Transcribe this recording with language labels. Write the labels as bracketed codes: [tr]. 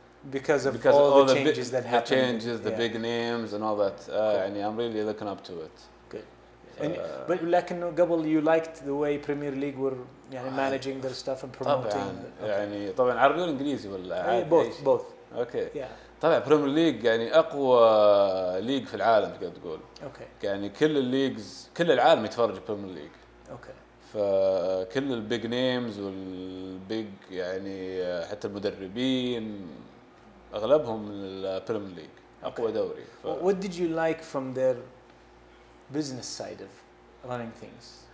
[en] because of all the changes that happened, the big names and all that. Cool. يعني I'm really looking up to it. But like in قبل you liked the way Premier League were يعني managing their stuff and promoting. [ar] يعني طبعا عربي ولا انجليزي ولا [en] both. Okay. Yeah. [ar] طبعا Premier League يعني اقوى ليج في العالم تقدر تقول. [en] Okay. [ar] يعني كل الليجز كل العالم يتفرج Premier League. [en] Okay. [ar] فكل [en] البيج نيمز [ar] والبيج يعني حتى المدربين اغلبهم Premier League اقوى دوري. [en] What did you like from their business side of running things?